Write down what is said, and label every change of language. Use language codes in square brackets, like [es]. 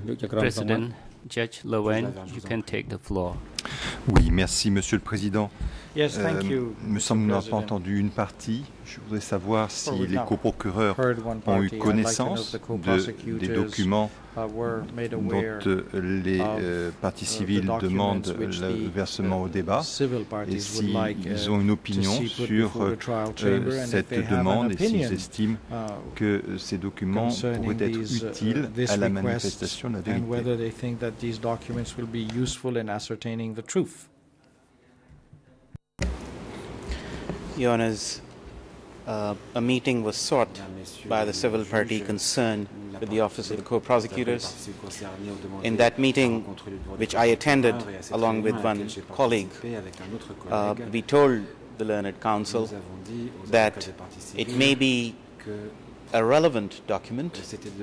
[en] President, Judge Lewin, you can take the floor. [fr] Oui, merci, Monsieur le Président. [en] Yes, thank you. [fr] Me semble que nous n'avons pas entendu une partie. Je voudrais savoir si les coprocureurs ont eu connaissance des documents dont les parties civiles demandent le versement au débat et s'ils ont une opinion sur cette demande et s'ils estiment que ces documents pourraient être utiles à la manifestation de la vérité. [en] Your Honours, a meeting was sought by the civil party concerned with the Office of the Co-Prosecutors. In that meeting, which I attended along with one colleague, we told the learned counsel that it may be a relevant document.